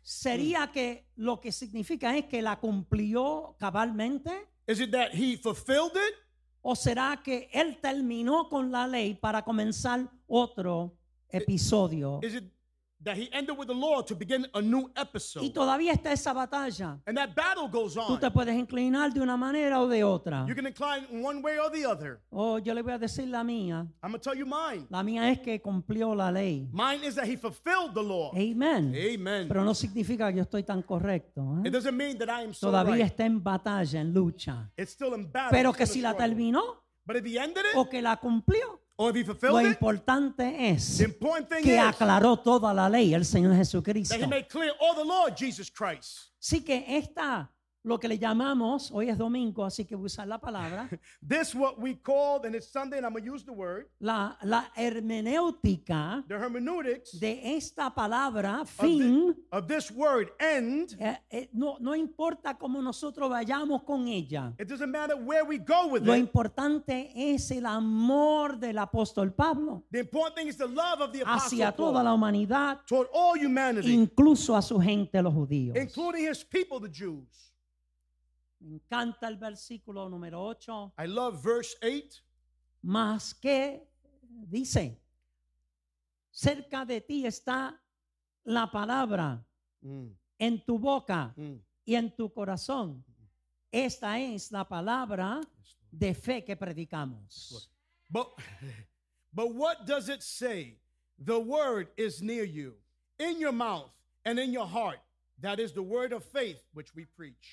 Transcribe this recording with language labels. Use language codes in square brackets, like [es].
[es] Sería que lo que significa es que la cumplió cabalmente. [en] Is it that he fulfilled it? [es] O será que él terminó con la ley para comenzar otro episodio. [en] That he ended with the law to begin a new episode. [es] Y todavía está esa batalla. [en] And that battle goes on. [es] Tú te puedes inclinar de una manera o de otra. [en] You can incline one way or the other. [es] Oh, yo le voy a decir la mía. [en] I'm going to tell you mine. [es] La mía es que cumplió la ley. [en] Mine is that he fulfilled the law. [es] Amen. [en] Amen. [es] Pero no significa que yo estoy tan correcto, ¿eh? [en] It doesn't mean that I am so [es] todavía [en] right. [es] Está en batalla, en lucha. [en] It's still in battle. [es] Pero que si la terminó. [en] But if he ended it. [es] O que la cumplió. [en] Or if he fulfilled [es] lo importante [en] it, [es] es [en] the important thing [es] que [en] is [es] aclaró toda la ley el Señor Jesucristo. [en] That he made clear all the law, Jesus Christ. [es] Así que esta, lo que le llamamos, hoy es domingo, así que voy a usar la palabra. [en] This what we called, and it's Sunday, and I'm going to use the word. [es] La hermenéutica. [en] The hermeneutics. [es] De esta palabra, fin. [en] Of this word, end. [es] No importa cómo nosotros vayamos con ella. [en] It doesn't matter where we go with [es] lo [en] it. [es] Lo importante es el amor del apóstol Pablo. [en] The important thing is the love of the apostle [es] hacia [en] Paul, [es] toda la humanidad. [en] Toward all humanity. [es] Incluso a su gente, los judíos. [en] Including his people, the Jews. [es] Me encanta el versículo número 8. [en] I love verse 8. [es] Más que dice, cerca de ti está la palabra en tu boca y en tu corazón. Esta es la palabra de fe que predicamos. [en] But what does it say? The word is near you, in your mouth and in your heart. That is the word of faith which we preach.